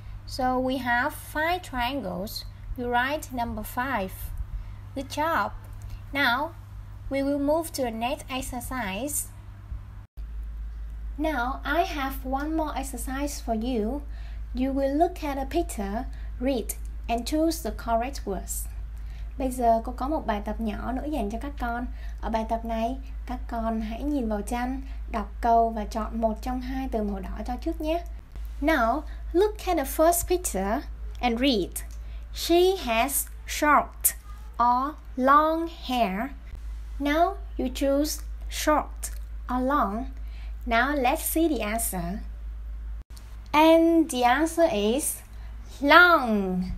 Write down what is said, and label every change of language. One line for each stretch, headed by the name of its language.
English: So we have 5 triangles. You write number 5. Good job. Now, we will move to the next exercise. Now, I have one more exercise for you. You will look at a picture, read, and choose the correct words.
Vietnamese: Bây giờ, cô có một bài tập nhỏ nữa dành cho các con. Ở bài tập này, các con hãy nhìn vào tranh, đọc câu và chọn một trong hai từ màu đỏ cho trước nhé.
English: Now, look at the first picture and read. She has short or long hair. Now, you choose short or long. Now let's see the answer. And the answer is long.